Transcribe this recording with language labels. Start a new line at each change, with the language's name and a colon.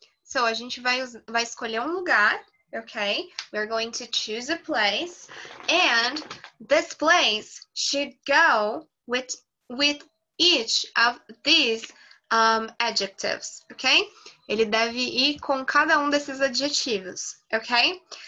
Portuguese: So a gente vai escolher um lugar, okay?
English: We're going to choose a place, and this place should go with each of these adjectives, okay?
Portuguese: Ele deve ir com cada um desses adjetivos, okay?